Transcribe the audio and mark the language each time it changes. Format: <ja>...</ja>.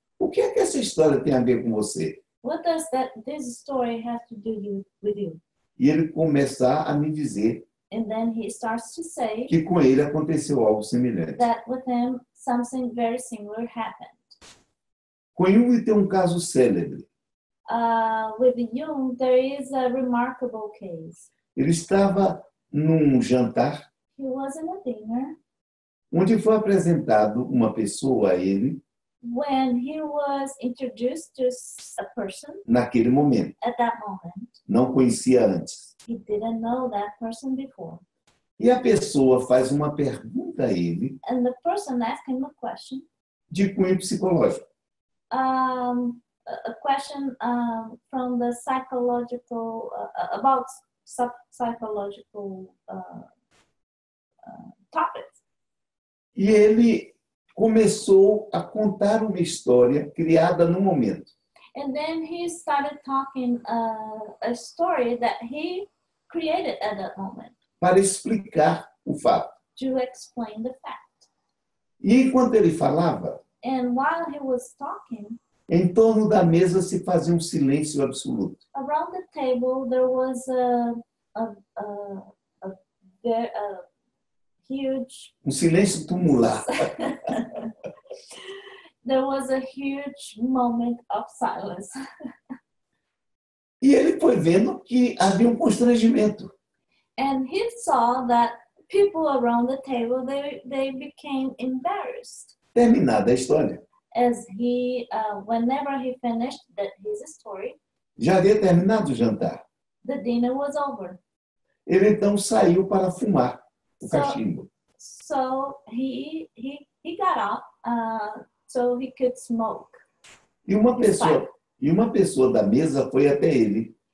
<pt>O que é que essa história tem a ver com você?</pt> <en>What does this story have to do with you?</en> <pt>E ele começar a me dizer.</pt> <en>And then he starts to say.</en> <pt>Que com ele aconteceu algo semelhante.</pt> <en>That with him something very similar happened.</en> <pt>Com Jung tem um caso célebre.</pt> <en>With Jung, there is a remarkable case.</en> <pt>Ele estava num jantar.</pt> <en>He was in a dinner.</en> <pt>Onde foi apresentado uma pessoa a ele.</pt> <en>When he was introduced to a person.</en> <pt>Naquele momento.</pt> <en>At that moment.</en> <pt>Não conhecia antes.</pt> <en>He didn't know that person before.</en> <pt>E a pessoa faz uma pergunta a ele.</pt> <en>And the person asked him a question.</en> <pt>De cunho psicológico.</pt> <en>A question from the psychological about psychological topics.</en> <pt>E ele começou a contar uma história criada no momento.</pt> <en>And then he started talking a story that he created at that moment.</en> <pt>Para explicar o fato.</pt> <en>To explain the fact.</en> <pt>E enquanto ele falava.</pt> <en>And while he was talking,</en> <pt>em torno da mesa se fazia um silêncio absoluto.</pt> <en>Around the table there was a huge</en> <pt>um silêncio tumular.</pt> <en>There was a huge moment of silence.</en> <pt>E ele foi vendo que havia um constrangimento.</pt> <en>And he saw that people around the table they became embarrassed.</en> <pt>Terminada a história.</pt> <en>As he, whenever he finished his story.</en> <pt>Já havia terminado o jantar.</pt> <en>The dinner was over.</en> <pt>Ele então saiu para fumar o cachimbo.</pt> <en>So he got up so he could smoke.</en> <pt>E uma pessoa da mesa foi até ele.</pt>